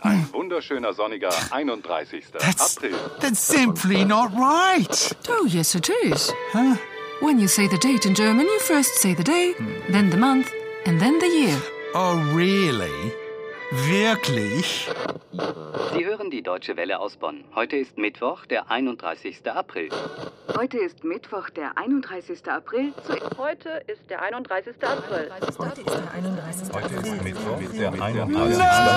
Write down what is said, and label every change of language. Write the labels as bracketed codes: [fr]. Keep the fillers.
[de] Ein wunderschöner, sonniger 31. [en] That's, April. That's simply not right. Oh, yes, it is. Huh? When you say the date in German, you first say the day, hmm. then the month, and then the year. Oh, really? [de] Wirklich? Sie hören die Deutsche Welle aus Bonn. Heute ist Mittwoch, der 31. April. Heute ist Mittwoch, der 31. April. Heute ist der 31. April. Heute ist Mittwoch, der 31. Mit, mit 31. [en] No! No! [de] Mit 31.